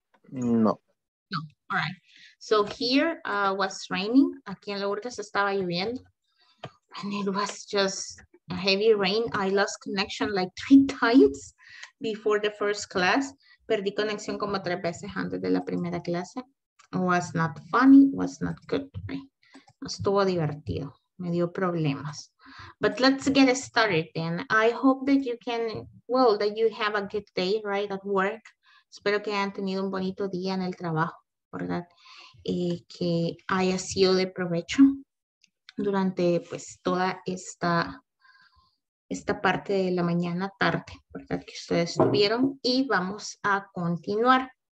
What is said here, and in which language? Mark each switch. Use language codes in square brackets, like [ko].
[en] No. No, all right. So here was raining, [es] aquí en Lourdes estaba lloviendo, [en] and it was just a heavy rain. I lost connection like 3 times before the first class. [es] Perdí conexión como 3 veces antes de la primera clase. [en] It was not funny, was not good. [es] No estuvo divertido, me dio problemas. [en] But let's get started then. I hope that you can, well, that you have a good day, right, at work. [es] Espero que hayan tenido un bonito día en el trabajo, ¿verdad? Que haya sido de provecho durante pues toda esta parte de la mañana tarde, ¿verdad? Que ustedes tuvieron y vamos a continuar.